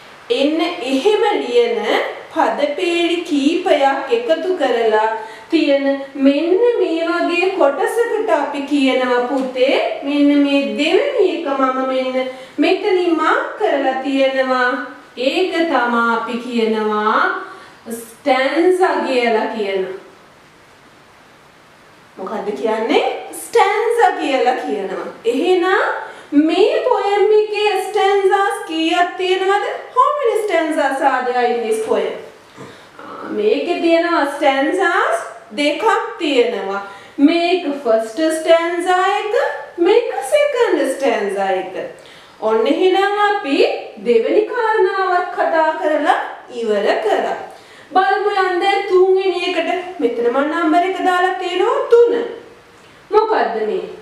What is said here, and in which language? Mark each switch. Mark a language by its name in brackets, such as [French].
[Sinhala] එන්න එහෙම ලියන පද පේලි කීපයක් එකතු කරලා තියෙන මෙන්න මේ වගේ කොටසකට අපි කියනවා පුතේ මෙන්න මේ දෙවෙනි එක මම මෙන්න මෙතනින් මාක් කරලා තියෙනවා. ඒක තමයි අපි කියනවා ස්ටැන්සා කියලා කියන. මොකද්ද කියන්නේ? ස්ටැන්සා කියලා කියනවා. එහෙනම් මේ poem එකේ ස්ටැන්සාස් කීයක් තියෙනවද? [English] How many stanzas are there in this poem? [Sinhala] මේකේ තියෙනවා ස්ටැන්සාස් දෙකක් තියෙනවා. මේක first stanza එක, මේක second stanza එක. ඔන්න එහෙනම් අපි දෙවෙනි කාරණාවත් කතා කරලා ඉවර කරා. බලමු යන්ද තුන්වෙනි එකට. මෙතන මම නම්බර් එක දාලා තියෙනවා 3. මොකද්ද මේ?